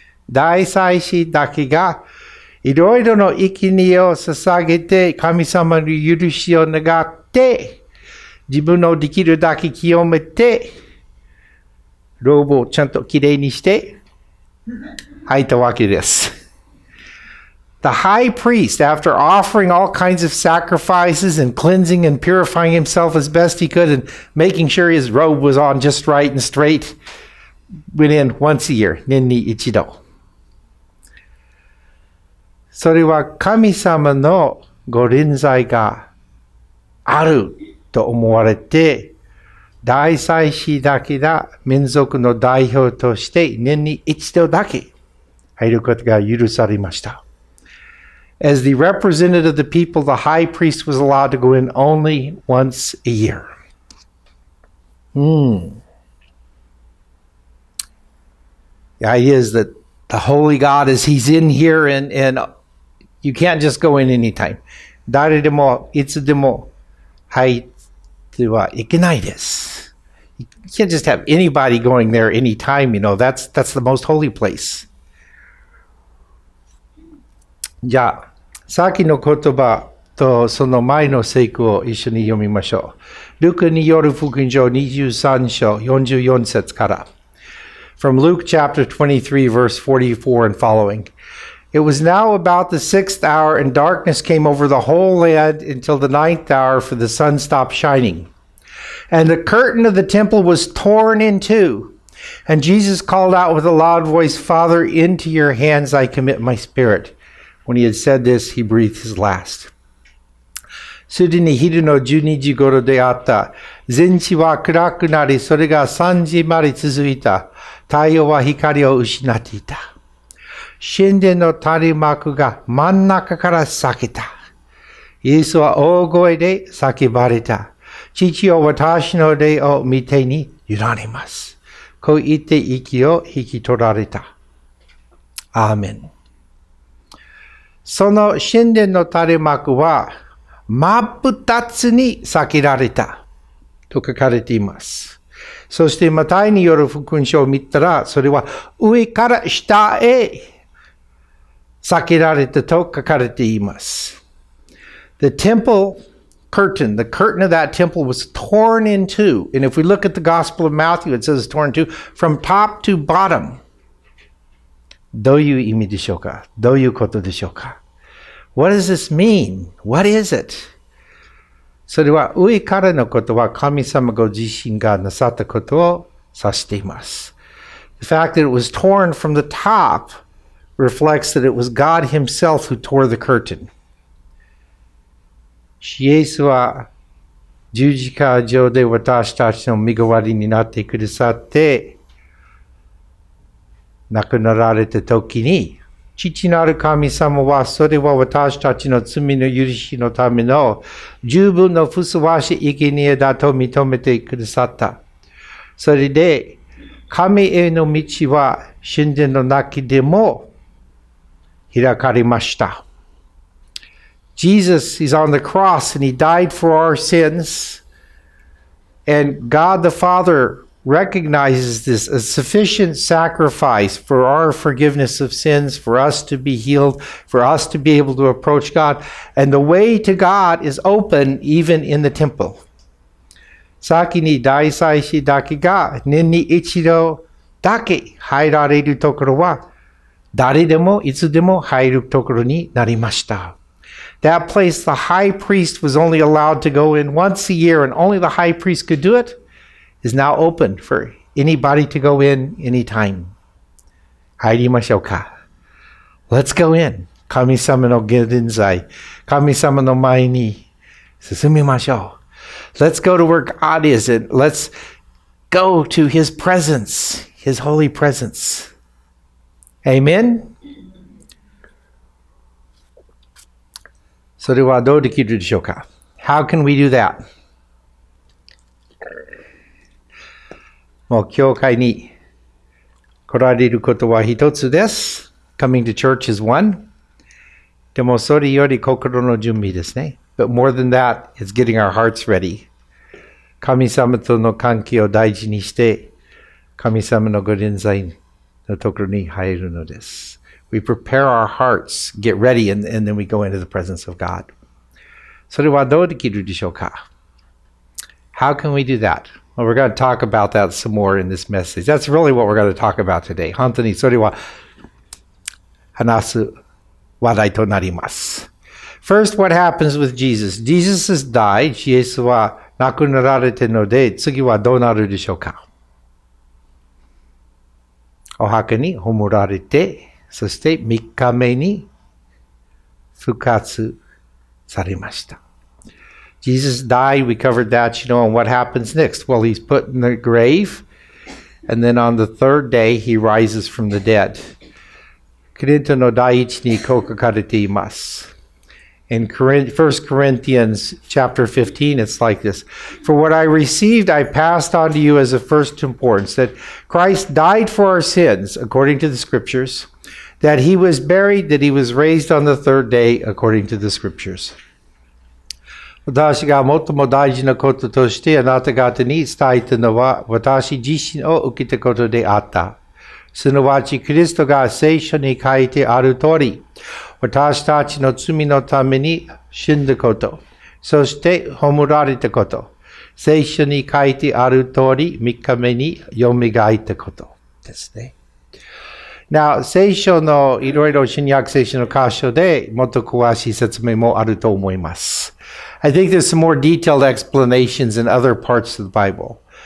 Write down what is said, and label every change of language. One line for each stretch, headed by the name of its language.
Japanese: 大祭司だけがいろいろの生贄を捧げて神様の許しを願って自分のできるだけ清めてローブをちゃんときれいにして入ったわけです。
English: The high priest, after offering all kinds of sacrifices and cleansing and purifying himself as best he could and making sure his robe was on just right and straight, went in once a year,
Japanese: 年に一度。それは神様のご臨在があると思われて、大祭司だけが民族の代表として年に一度だけ入ることが許されました。
English: As the representative of the people, the high priest was allowed to go in only once a year. The idea is that the holy God, as he's in here and you can't just go in anytime.
Japanese: 誰でもいつでも入ってはいけないです。
English: You can't just have anybody going there anytime, you know, that's the most holy place.
Japanese: じゃあ、さっきの言葉とその前の聖句を一緒に読みましょう。ルカによる福音書23章44節から。
English: From Luke chapter 23 verse 44 and following. It was now about the sixth hour, and darkness came over the whole land until the ninth hour, for the sun stopped shining. And the curtain of the temple was torn in two. And Jesus called out with a loud voice, Father, into your hands I commit my spirit. When he had said this, he breathed his last.
Japanese: すでに昼の12時頃であった。全地は暗くなり、それが3時まで続いた。太陽は光を失っていた。神殿の垂幕が真ん中から裂けた。イエスは大声で叫ばれた。父よ、私の霊を御手にゆだねます。こう言って息を引き取られた。アーメン。その神殿の垂幕は真っ二つに裂けられた。と書かれています。そしてマタイによる福音書を見たら、それは上から下へ避けられたと書かれています。
English: The temple curtain, the curtain of that temple was torn in two. And if we look at the Gospel of Matthew, it says torn in two from top to bottom.
Japanese: どういう意味でしょうか?どういうことでしょうか?
English: What does this mean? What is it?
Japanese: それは上からのことは神様ご自身がなさったことを指しています。
English: The fact that it was torn from the top reflects that it was God himself who tore the curtain.
Japanese: イエスは十字架上で私たちの身代わりになってくださって亡くなられた時に父なる神様はそれは私たちの罪の許しのための十分のふさわしい生贄だと認めてくださった。それで神への道は神殿の中でも開かれました。
English: Jesus is on the cross and he died for our sins. And God the Father recognizes this as sufficient sacrifice for our forgiveness of sins, for us to be healed, for us to be able to approach God. And the way to God is open even in the temple.
Japanese: 先に大祭司だけが年に一度だけ入られるところは誰でもいつでも入るところになりました。
English: That place the high priest was only allowed to go in once a year and only the high priest could do it is now open for anybody to go in anytime.
Japanese: 入りましょうか。
English: Let's go in.
Japanese: 神様の御臨在、神様の前に進みましょう。
English: Let's go to where God is and let's go to His presence, His holy presence. Amen?
Japanese: それはどうできるでしょうか?
English: How can we do that?
Japanese: もう教会に来られることは一つです。
English: Coming to church is one.
Japanese: でもそれより心の準備ですね。
English: But more than that, it's getting our hearts ready.
Japanese: 神様との関係を大事にして、神様の御臨在のところに入るのです。
English: We prepare our hearts, get ready, and then we go into the presence of God.
Japanese: それはどうできるでしょうか?
English: How can we do that? Well, we're going to talk about that some more in this message. That's really what we're going to talk about today.
Japanese: 本当にそれは話す話題となります。
English: First, what happens with Jesus? Jesus has died.
Japanese: イエスは亡くなられてるので、次はどうなるでしょうか? お墓に葬られて、そして3日目に復活されました。
English: Jesus died. We covered that, you know, and what happens next? Well, he's put in the grave, and then on the third day, he rises from the dead.
Japanese: コリントの第一にこう書かれています。
English: In 1 Corinthians chapter 15, it's like this. For what I received, I passed on to you as of first importance, that Christ died for our sins, according to the scriptures, that he was buried, that he was raised on the third day, according to the scriptures.
Japanese: 私が最も大事なこととしてあなた方に伝えたのは、私自身を受けたことであった。すなわち、キリストが聖書に書いてある通り、私たちの罪のために死んだこと、そして葬られたこと、聖書に書いてある通り、3日目によみがえったことですね。 Now, 聖書のいろいろ新約聖書の箇所でもっと詳しい説明もあると思います。
English: I think there's some more detailed explanations in other parts of the Bible.